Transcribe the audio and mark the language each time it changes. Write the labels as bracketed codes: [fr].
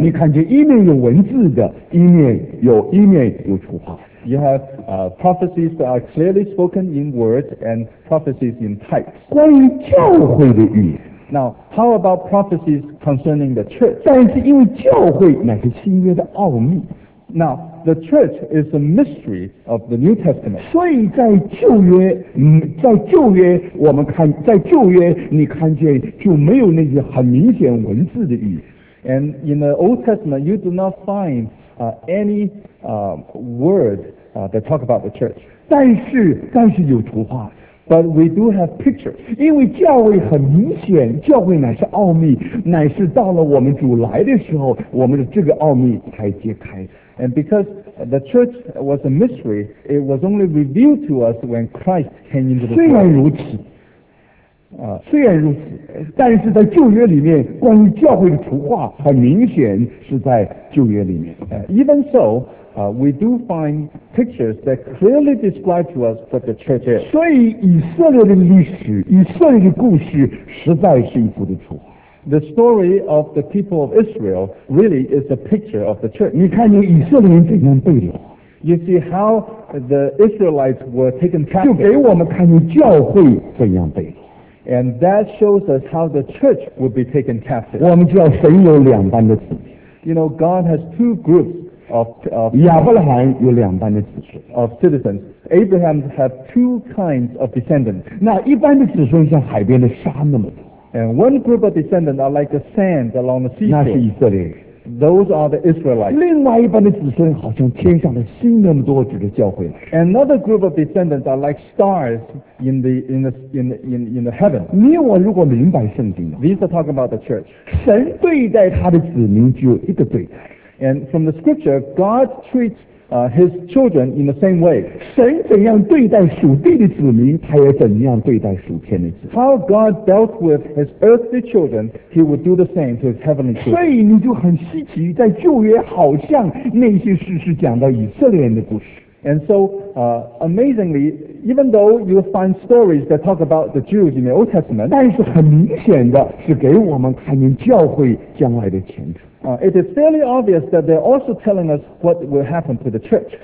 [zh] 你看见一面有文字的，一面有图画。 [en] You have prophecies that are clearly spoken in words and prophecies in types. [zh] 关于教会的预言。 [en] Now, how about prophecies concerning the church? [zh] 但是因为教会乃是新约的奥秘。 [en] Now, the church is a mystery of the New Testament. [zh] 所以在旧约你看见就没有那些很明显文字的预言。 [en] And in the Old Testament, you do not find any word that talk about the church. [zh] 但是有图画。 [en] But we do have pictures. [zh] 因为教会很明显，教会乃是奥秘，乃是到了我们主来的时候，我们的这个奥秘才揭开。 [en] And because the church was a mystery, it was only revealed to us when Christ came into the world. [zh] 虽然如此，但是在旧约里面，关于教会的图画很明显是在旧约里面。 [en] Even so, We do find pictures that clearly describe to us what the church is. [zh] 所以以色列的历史，以色列的故事，实在是一幅的图画。 [en] The story of the people of Israel really is a picture of the church. [zh] 你看见以色列人怎样被掳？ [en] You see how the Israelites were taken captive. [zh] 就给我们看见教会怎样被掳。 [en] And that shows us how the church would be taken captive. [zh] 我们知道神有两班的子民。 [en] You know, God has two groups of [zh] 亚伯拉罕有两班的子孙。 [en] Of citizens. Abraham has two kinds of descendants. [zh] 那一般的子孙像海边的沙那么多。 [en] And one group of descendants are like the sand along the seashore. [zh] 那是以色列。 [en] Those are the Israelites. [zh] 另外一般的子孙好像天上的星那么多，指着教会。 [en] Another group of descendants are like stars in the heaven. [zh] 你我如果明白圣经呢 [en] ？These are talking about the church. [zh] 神对待他的子民只有一个对待。 [en] And from the scripture, God treats his children in the same way. [zh] 神怎样对待属地的子民，他也怎样对待属天的子民。 [en] How God dealt with his earthly children, he would do the same to his heavenly children. [zh] 所以你就很稀奇，在旧约好像那些事是讲到以色列人的故事。 [en] And so, amazingly, even though you find stories that talk about the Jews in the Old Testament, [zh] 但是很明显的是给我们看见教会将来的前程。 [en] It is fairly obvious that they're also telling us what will happen to the church.